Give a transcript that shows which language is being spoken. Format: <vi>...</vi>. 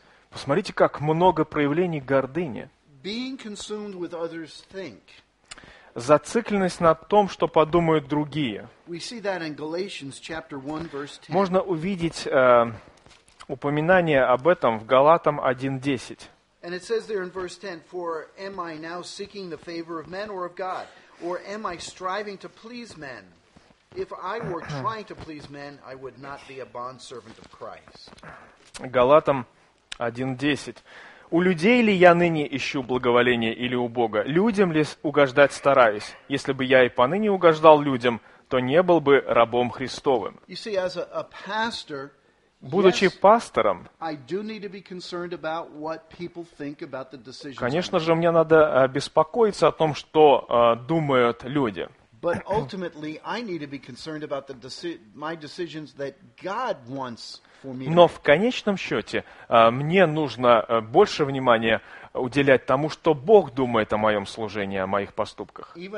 <ru>Посмотрите, как много проявлений гордыни.</ru> <en>Being consumed with others think.</en> <ru>Зацикленность на том, что подумают другие.</ru> <en>We see that in Galatians, chapter 1, verse 10.</en> <ru>Можно увидеть упоминание об этом в Галатам 1.10.</ru> <en>And it says there in verse 10, for am I now seeking the favor of men or of God? Or am I striving to please men? If I were trying to please men, I would not be a bondservant of Christ.</en> <ru>Галатам 1.10. У людей ли я ныне ищу благоволение или у Бога? Людям ли угождать стараюсь? Если бы я и поныне угождал людям, то не был бы рабом Христовым.</ru> <en>You see, as a pastor,</en> <ru>будучи</ru> <en>yes,</en> <ru>пастором,</ru> <en>I do need to be concerned about what people think about the decisions.</en> <ru>Конечно же, мне надо беспокоиться о том, что думают люди.</ru> <en>But ultimately, I need to be concerned about the my decisions that God wants.</en> <ru>Но в конечном счете мне нужно больше внимания уделять тому, что Бог думает о моем служении, о моих поступках.</ru>